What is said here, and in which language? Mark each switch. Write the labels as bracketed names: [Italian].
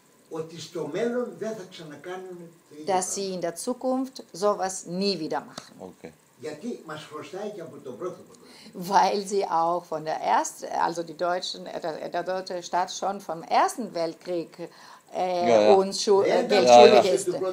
[Greek] Ότι στο μέλλον δεν θα ξανακάνουν το ίδιο. [German] Dass sie in der Zukunft sowas nie wieder machen. Okay. [Greek] Γιατί μας χρωστάει και από τον πρόθυμο. [German] Weil sie auch von der ersten, also die Deutschen, der deutsche Staat schon vom Ersten Weltkrieg uns Geld schuldig ist.